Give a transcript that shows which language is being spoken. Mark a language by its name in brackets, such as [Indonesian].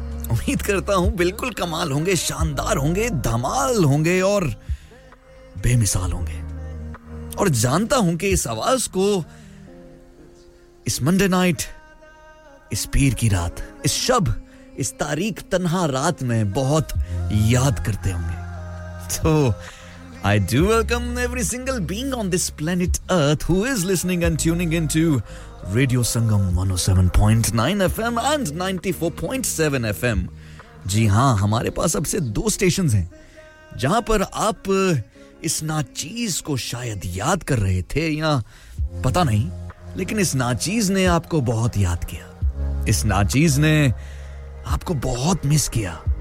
[Hindi] उम्मीद करता हूं बिल्कुल कमाल होंगे, शानदार होंगे, धमाल होंगे और बेमिसाल होंगे। और जानता हूं कि इस आवाज को इस मंडे नाइट, इस पीर की रात, इस शब, इस तारीख तन्हा रात में बहुत याद करते होंगे। [English] तो I do welcome every single being on this planet Earth who is listening and tuning into Radio Sangam 107.9 FM and 94.7 FM. [Hindi] जी हाँ, हमारे पास अब से दो stations हैं जहाँ पर आप इस नाचीज को शायद याद कर रहे थे या पता नहीं, लेकिन इस नाचीज ने आपको बहुत याद किया, इस नाचीज ने आपको बहुत मिस किया।